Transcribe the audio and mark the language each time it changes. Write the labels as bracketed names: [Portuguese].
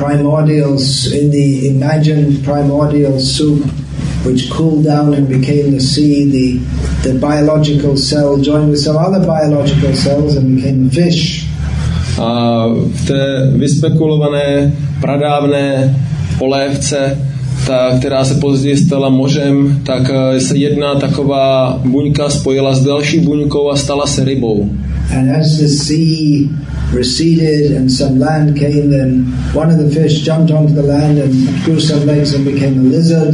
[English] In the imagined primordial soup, which cooled down and became the sea, the biological cell joined with some other biological cells and became fish. [Czech] A v té vyspekulované pradávné polévce, která se později stala mořem, tak se jedna taková buňka spojila s další buňkou a stala se rybou. [English] And as the sea receded and some land came, then one of the fish jumped onto the land and grew some legs and became a lizard.